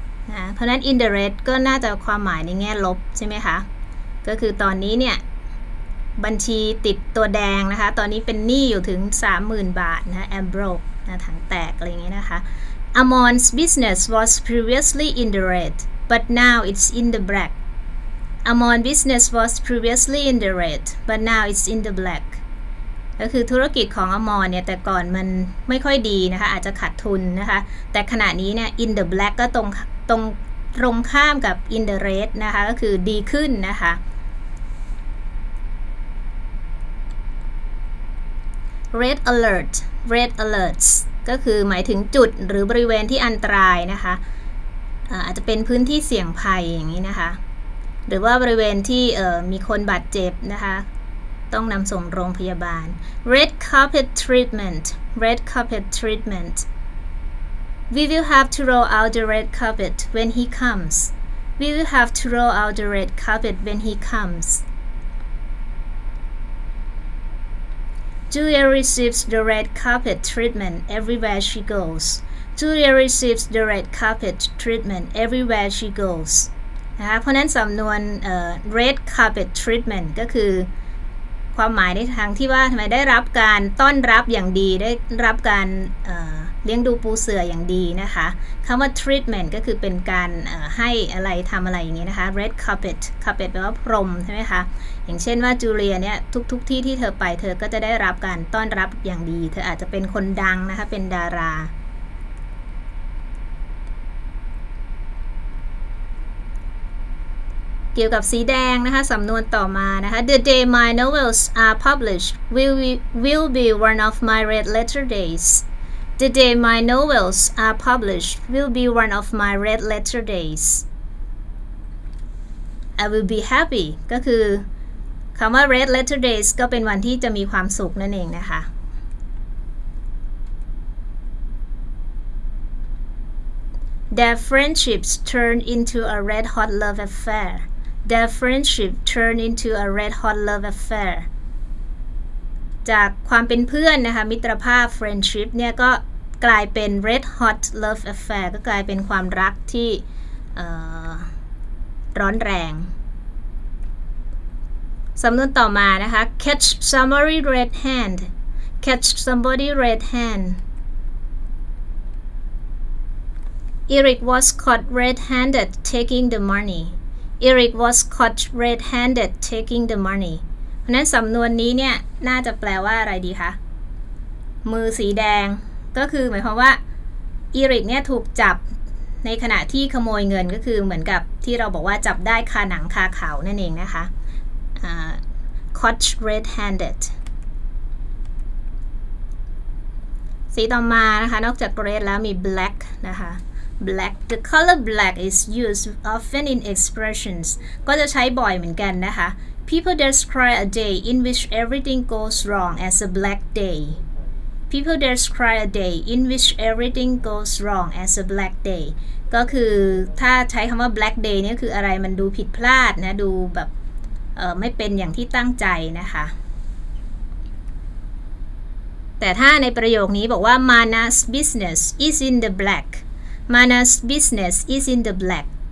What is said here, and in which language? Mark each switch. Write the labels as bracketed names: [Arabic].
[Thai] นะเพราะนั้น in the red ก็น่าจะความหมายในแง่ลบใช่ไหมคะก็คือตอนนี้เนี่ยบัญชีติดตัวแดงนะคะตอนนี้เป็นหนี้อยู่ถึง 30,000 บาทนะ [English] I'm broke [Thai] นะถังแตกอะไรอย่างเงี้ยนะคะ [English] Amon's business was previously in the red, but now it's in the black. Amon business was previously in the red, but now it's in the black. [Thai] ก็คือธุรกิจของ Amon เนี่ยแต่ก่อนมันไม่ค่อยดีนะคะอาจจะขาดทุนนะคะแต่ขณะนี้เนี่ย in the black ก็ตรงข้ามกับ in the red นะคะก็คือดีขึ้นนะคะ [English] Red alert, red alerts [Thai] ก็คือหมายถึงจุดหรือบริเวณที่อันตรายนะคะอาจจะเป็นพื้นที่เสี่ยงภัยอย่างนี้นะคะหรือว่าบริเวณที่มีคนบาดเจ็บนะคะต้องนำส่งโรงพยาบาล [English] Red carpet treatment Red carpet treatment We will have to roll out the red carpet when he comes We will have to roll out the red carpet when he comes Julia receives the red carpet treatment everywhere she goes Julia receives the red carpet treatment everywhere she goes [Thai] นะคะเพราะนั้นสำนวน red carpet treatment ก็คือความหมายในทางที่ว่าทำไมได้รับการต้อนรับอย่างดีได้รับการเลี้ยงดูปูเสื่ออย่างดีนะคะคำว่า treatment ก็คือเป็นการให้อะไรทำอะไรอย่างนี้นะคะ red carpet carpet แปลว่าพรมใช่ไหมคะอย่างเช่นว่าจูเลียเนี่ยทุกที่ที่เธอไปเธอก็จะได้รับการต้อนรับอย่างดีเธออาจจะเป็นคนดังนะคะเป็นดารา เกี่ยวกับสีแดงนะคะสำนวนต่อมานะคะ [English] The day my novels are published will be one of my red letter days The day my novels are published will be one of my red letter days I will be happy [Thai] ก็คือคำว่า red letter days ก็เป็นวันที่จะมีความสุขนั่นเองนะคะ [English] Their friendships turned into a red hot love affair. Their friendship turned into a red hot love affair. [Thai] จากความเป็นเพื่อนนะคะมิตรภาพ friendship เนี่ยก็กลายเป็น red hot love affair ก็กลายเป็นความรักที่ร้อนแรงสำนวนต่อมานะคะ [English] catch somebody red hand catch somebody red handEric was caught red-handed taking the money. Eric was caught red-handed taking the money. [Thai] เพราะนั้นสำนวนนี้เนี่ยน่าจะแปลว่าอะไรดีคะมือสีแดงก็คือหมายความว่าEricเนี่ยถูกจับในขณะที่ขโมยเงินก็คือเหมือนกับที่เราบอกว่าจับได้คาหนังคาเขานั่นเองนะคะ caught red-handed สีต่อมานะคะนอกจาก red แล้วมี black นะคะBlack. [English] The color black is used often in expressions. [Thai] ก็จะใช้บ่อยเหมือนกันนะคะ [English] People describe a day in which everything goes wrong as a black day. People describe a day in which everything goes wrong as a black day. [Thai] ก็คือถ้าใช้คำว่า black day นี่คืออะไรมันดูผิดพลาดนะดูแบบไม่เป็นอย่างที่ตั้งใจนะคะแต่ถ้าในประโยคนี้บอกว่า [English] Mana's business is in the blackMana's business is in the black